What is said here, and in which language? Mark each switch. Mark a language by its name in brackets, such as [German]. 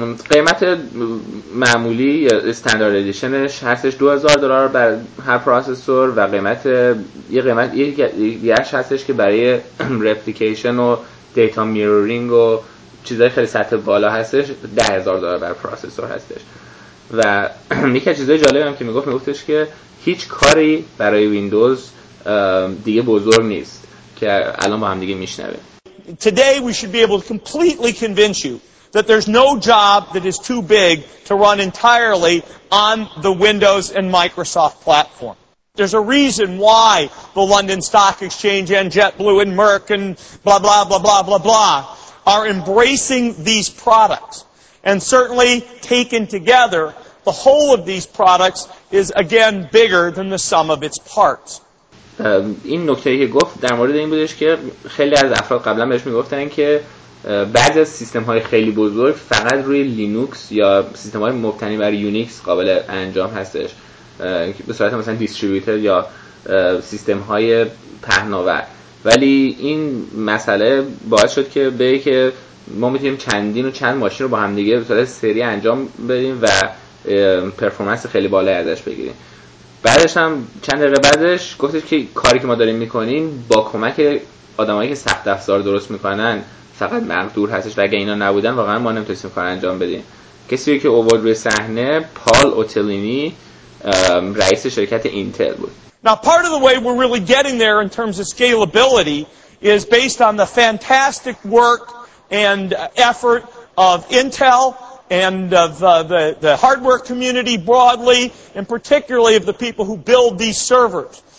[Persian] قیمت معمولی یا استاندارد ادیشنش هستش $2,000 بر هر پروسسور، و قیمت یه قیمت دیگه هستش که برای رپلیکیشن و دیتا میرورینگ و چیزهای خیلی سطح بالا هستش $10,000 بر پروسسور هستش. و یکی از چیزهای جالب هم که میگفتش که هیچ کاری برای ویندوز دیگه بزرگ نیست که الان با هم دیگه میشنویم. [English] Today we should be able to completely convince you that there's no job that is too big to run entirely on the Windows and Microsoft platform. There's a reason why the London Stock Exchange and JetBlue and Merck and blah blah blah blah blah blah are embracing these products. And certainly taken together, the whole of these products is again bigger than the sum of its parts. [Persian] این نکته‌ای که گفت در مورد این بودش که خیلی از افراد قبلا بهش میگفتن که بعضی از سیستم‌های خیلی بزرگ فقط روی لینوکس یا سیستم‌های مبتنی بر یونیکس قابل انجام هستش، به صورت مثلا دیستریبیوتر یا سیستم‌های پهناور. ولی این مسئله باعث شد که بگه که ما میتونیم چندین و چند ماشین رو با هم دیگه به صورت سری انجام بدیم و پرفورمنس خیلی بالایی ازش بگیریم. بعدش هم چند دقیقه بعدش گفتش که کاری که ما داریم میکنیم با کمک آدمایی که سخت افزار درست میکنن فقط مقدور هستش، و اگه اینا نبودن واقعا ما نمیتونستیم کار انجام بدیم. کسی که آورد روی صحنه پال اوتلینی، رئیس شرکت اینتل بود. [English] Now part of the way we're really getting there in terms of scalability is based on the fantastic work and effort of Intel and of the hardware community broadly, and particularly of the people who build these servers.